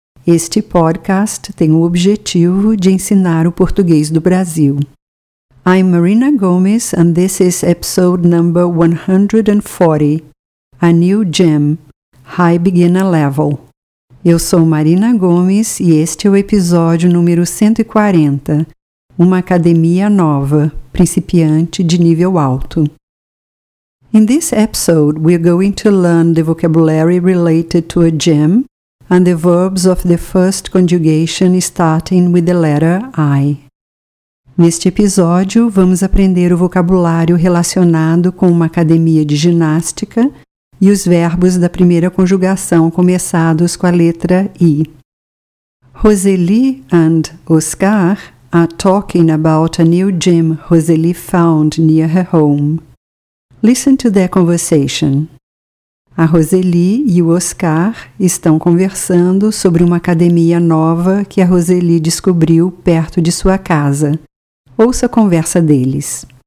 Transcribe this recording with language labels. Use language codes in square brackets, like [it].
[pt] Este podcast tem o objetivo de ensinar o português do Brasil. [en] I'm Marina Gomes, and this is episode number 140, A New Gem, High Beginner Level. [pt] Eu sou Marina Gomes e este é o episódio número 140, Uma Academia Nova, Principiante de Nível Alto. [en] In this episode, we're going to learn the vocabulary related to a gem and the verbs of the first conjugation starting with the letter I. [pt] Neste episódio, vamos aprender o vocabulário relacionado com uma academia de ginástica e os verbos da primeira conjugação começados com a letra I. [en] Roseli and Oscar are talking about a new gym Roseli found near her home. Listen to their conversation. [pt] A Roseli e o Oscar estão conversando sobre uma academia nova que a Roseli descobriu perto de sua casa. Ouça a conversa deles.